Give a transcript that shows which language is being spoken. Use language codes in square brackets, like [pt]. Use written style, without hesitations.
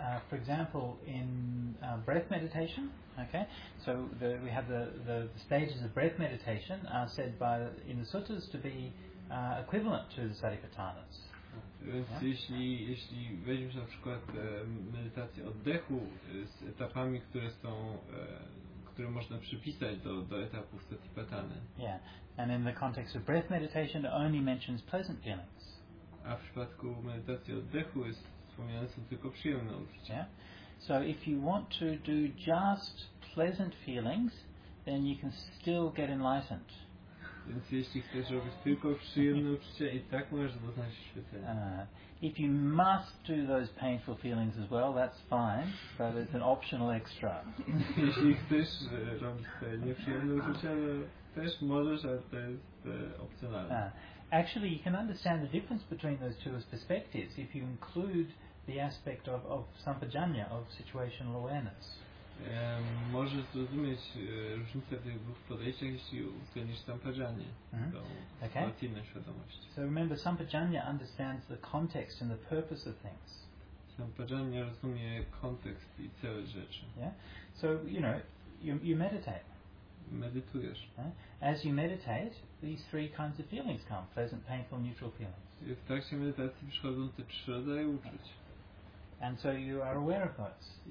[en] For example, in breath meditation, okay, so we have the stages of breath meditation are said in the suttas to be equivalent to the satipatthanas. [pl] Więc yeah? jeśli weźmiesz na przykład medytację oddechu z etapami, które są, które można przypisać do etapów satipatthany. [en] Yeah. And in the context of breath meditation, it only mentions pleasant feelings. [pl] A w przypadku medytacji oddechu jest wspomniane są tylko przyjemne uczucia. [en] Yeah? So if you want to do just pleasant feelings, then you can still get enlightened. [pl] Więc jeśli chcesz robić tylko przyjemne uczucia, i tak możesz doznać świetlenia. [en] If you must do those painful feelings as well, that's fine, but it's an optional extra. [pl] Jeśli chcesz robić te nieprzyjemne uczucia, to też możesz, ale to jest opcjonalne. [en] Actually, you can understand the difference between those two perspectives if you include the aspect of sampajanya, of situational awareness. [pl] Możesz zrozumieć różnicę w tych dwóch podejściach, jeśli uwzględnisz sampajanya, tą relacyjną świadomość. [en] So remember, sampajanya understands the context and the purpose of things. [pl] Sampajanya rozumie kontekst i cel rzeczy. [en] Yeah? So, you know, you meditate. [pl] Medytujesz. [en] As you meditate, these three kinds of feelings come: pleasant, painful, neutral feelings. [pl] I w trakcie medytacji przychodzą te trzy rodzaje uczuć. [en] And so you are aware of those.